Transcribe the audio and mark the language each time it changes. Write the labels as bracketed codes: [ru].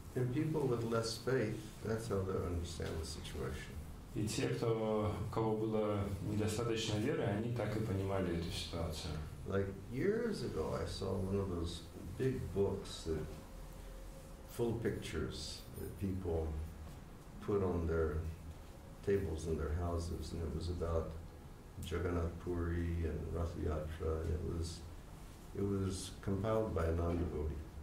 [en] And people with less faith, that's how they understand the situation. [ru] И те, кто, у кого было недостаточно веры, они так и понимали эту ситуацию. [en] Like years ago, I saw one of those big books that full pictures that people put on their tables in their houses, and it was about Jagannath Puri and Rath Yatra, and it was compiled by a non-devotee.